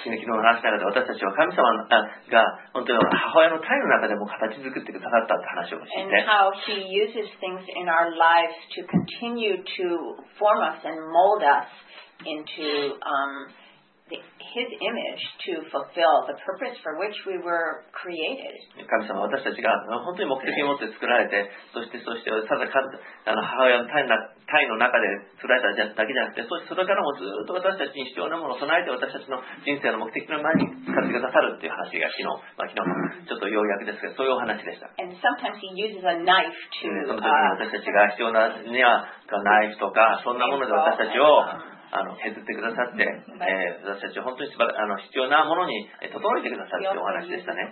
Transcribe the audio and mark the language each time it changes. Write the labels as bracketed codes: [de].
[ja] 昨日話した中で私たちは神様が本当に母親の胎の中でも形作ってくださったって話をして。 [en] And how he uses things in our lives to continue to form us and mold us into His image to fulfill the purpose for which we were created. [ja] 神様は私たちが本当に目的を持って作られて、そしてただ母親の胎の中で作られただけじゃなくて、そしてそれからもずっと私たちに必要なものを備えて私たちの人生の目的の前に使ってくださるっていう話が昨日、ちょっと要約ですけど、そういうお話でした。 [en] And sometimes he uses a knife to, [ja] 私たちが必要なにはナイフとかそんなもので私たちを削ってくださって、私たちは本当に必要なものに整えてくださるというお話でしたね。